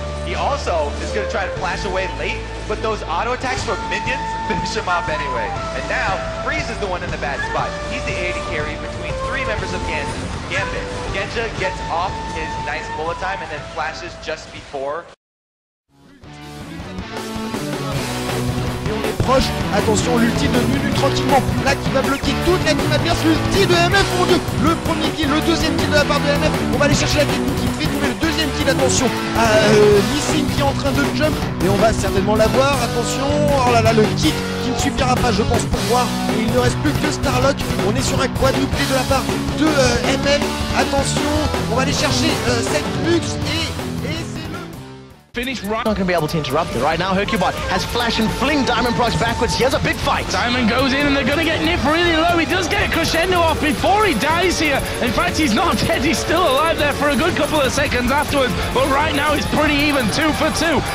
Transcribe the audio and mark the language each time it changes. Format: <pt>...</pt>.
<en>He also is going to try to flash away late, but those auto attacks from minions finish him off anyway. And now, Freeze is the one in the bad spot. He's the AD carry between three members of Gambit. Genja gets off his nice bullet time and then flashes just before.</en> <fr>Proche, attention, l'ulti de Nunu tranquillement, là qui va bloquer toute la team adverse, l'ulti de MF, mon dieu, le premier kill, le deuxième kill de la part de MF, on va aller chercher la technique qui fait tomber le deuxième kill, attention, à Nissim qui est en train de jump, mais on va certainement l'avoir, attention, oh là là, le kick qui ne suffira pas, je pense, pour voir, et il ne reste plus que Starlock, on est sur un quadruplé de la part de MF, attention, on va aller chercher cette Lux et...</fr> <en>Finish right. Not gonna be able to interrupt it right now. Hercubot has Flash and fling Diamond Prox backwards. He has a big fight. Diamond goes in and they're gonna get Niff really low. He does get a crescendo off before he dies here. In fact, he's not dead. He's still alive there for a good couple of seconds afterwards. But right now, it's pretty even. Two for two.</en>